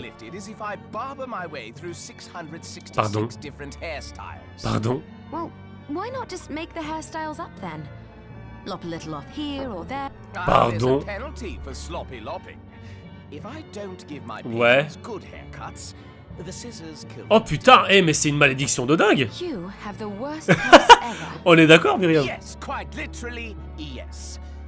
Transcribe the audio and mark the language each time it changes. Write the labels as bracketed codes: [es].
[en] lifted is if I barber my way through 666 different hairstyles. [fr] Pardon? [en] Well, why not just make the hairstyles up then? Lop a little off here or there. [fr] Pardon. [en] There's a penalty for sloppy lopping. If I don't give my pigs good haircuts, the scissors kill. [fr] Oh putain, eh, mais c'est une malédiction de dingue. [en] You have the worst ever. [fr] On est d'accord, Myriam. [en] Yes, quite literally, yes.